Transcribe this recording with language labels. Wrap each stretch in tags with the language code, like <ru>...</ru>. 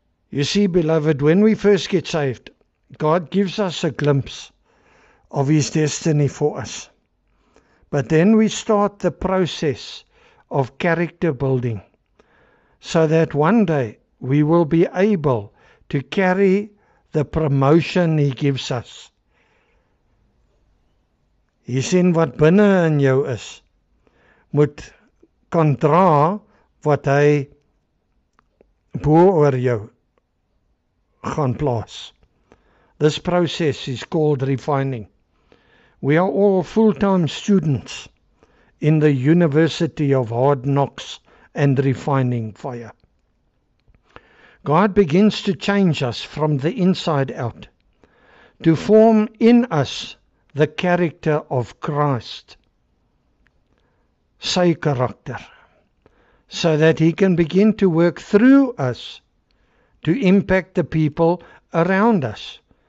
<en>You see, beloved, when we first get saved, God gives us a glimpse of His destiny for us. But then we start the process of character building, so that one day we will be able to carry the promotion He gives us.</en> <af>Jy sien wat binne in jou is, moet kan dra wat Hy bo oor jou gaan plaas.</af> <en>This process is called refining. We are all full-time students in the University of Hard Knocks and Refining Fire. God begins to change us from the inside out, to form in us the character of Christ,</en> <af>sy karakter,</af> <en>so that He can begin to work through us to impact the people around us.</en>